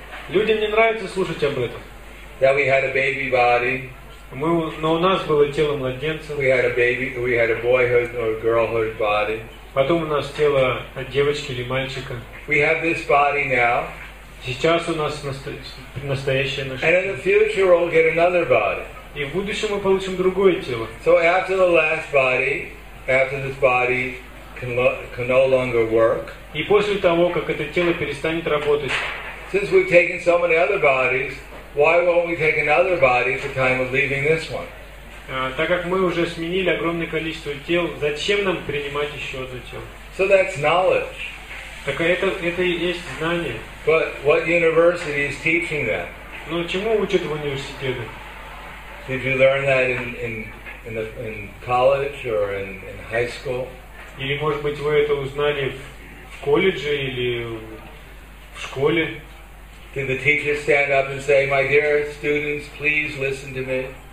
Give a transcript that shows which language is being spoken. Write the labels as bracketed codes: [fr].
[ru] Людям не нравится слушать об этом. [en] That we had a baby body. [ru] Но у нас было тело младенца. [en] We had a boyhood or girlhood body. [ru] Потом у нас тело девочки или мальчика. [en] We have this body now. [ru] Сейчас у нас настоящее наше. [en] And in the future we'll get another body. [ru] И в будущем мы получим другое тело. [en] So after the last body, after this body can no longer work. [ru] И после того, как это тело перестанет работать. [en] Since we've taken so many other bodies, why won't we take another body at the time of leaving this one? [ru] Так как мы уже сменили огромное количество тел, зачем нам принимать еще одно тело? [en] So that's knowledge. [ru] Так это и есть знание. [en] But what university is teaching that? [ru] Но чему учат в университете? [en] Did you learn that in college or in high school? [ru] Или может быть вы это узнали в колледже или в школе? [en] Did the teacher stand up and say, "My dear students, please listen to me"?